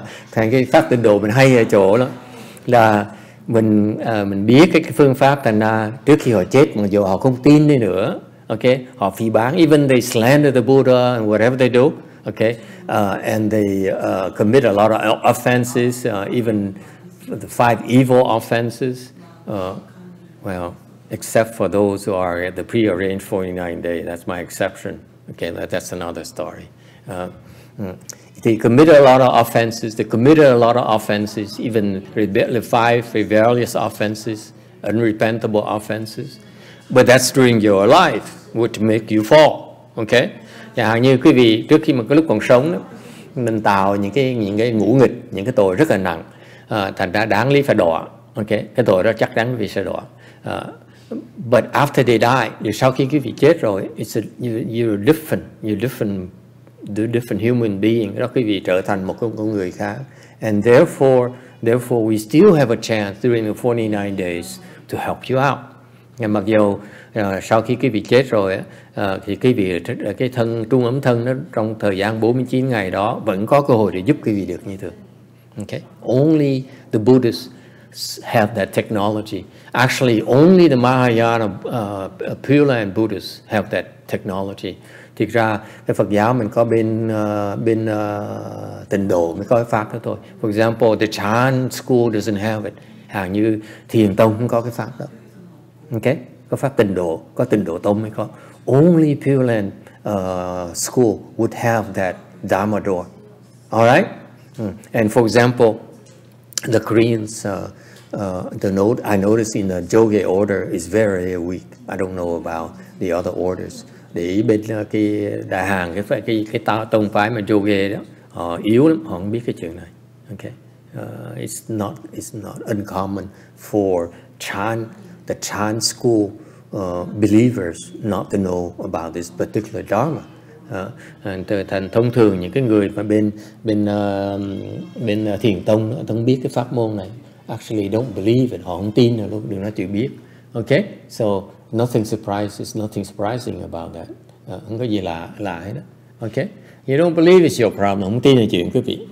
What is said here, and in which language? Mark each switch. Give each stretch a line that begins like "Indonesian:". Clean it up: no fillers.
Vietnamese: Thành cái pháp tịnh độ mình hay ở chỗ đó là mình biết cái phương pháp, thành ra trước khi họ chết mà dù họ không tin đi nữa,
English: okay,
Vietnamese: họ phỉ báng,
English: even they slander the Buddha and whatever they do, okay, and they commit a lot of offenses, even the five evil offenses, except for those who are at the prearranged 49 day, that's my exception, okay, that's another story. They commit a lot of offenses, even the five rebellious offenses, unrepentable offenses, but that's during your life, which make you fall, okay?
Vietnamese: Chẳng hạn như quý vị trước khi mà cái lúc còn sống đó, mình tạo những cái ngũ nghịch, những cái tội rất là nặng, thành ra đáng lý phải đọa, okay? Cái tội đó chắc đáng vì sẽ đọa.
English: But after they die,
Vietnamese: sau khi quý vị chết rồi,
English: you're a different human being.
Vietnamese: Đó, quý vị trở thành một con người khác.
English: And therefore we still have a chance during the 49 days to help you out.
Vietnamese: Nhưng mặc dù sau khi quý vị chết rồi, thì quý vị cái thân trung ấm thân đó trong thời gian 49 ngày đó vẫn có cơ hội để giúp quý vị được như thường.
English: Okay? Only the Buddhists have that technology. Actually, only the Mahayana Pure Land Buddhists have that technology.
Vietnamese: Thực ra cái Phật giáo mình có bên bên Tịnh độ mới có cái pháp đó thôi.
English: For example, the Chan school doesn't have it.
Vietnamese: Hàng như Thiền tông không có cái pháp đó. Okay? Có pháp Tịnh độ, có Tịnh độ tông mới có.
English: Only Pure Land school would have that Dharma door. All right? And for example, the Koreans I noticed in the Joge order is very weak. I don't know about the other orders.
Vietnamese: Để ý bên cái đại hàng cái ta tông phái mà Joge đó họ yếu lắm, họ không biết cái chuyện này.
English: Okay, it's not uncommon for the Chan school believers not to know about this particular dharma.
Vietnamese: Thành thông thường những cái người mà bên thiền tông đó, không biết cái pháp môn này,
English: actually don't believe it,
Vietnamese: họ không tin nữa luôn, đừng nói chuyện biết.
English: Okay, so nothing surprising about that.
Vietnamese: Không có gì lạ hết đó. Okay,
English: you don't believe it's your problem,
Vietnamese: không tin là chuyện quý vị.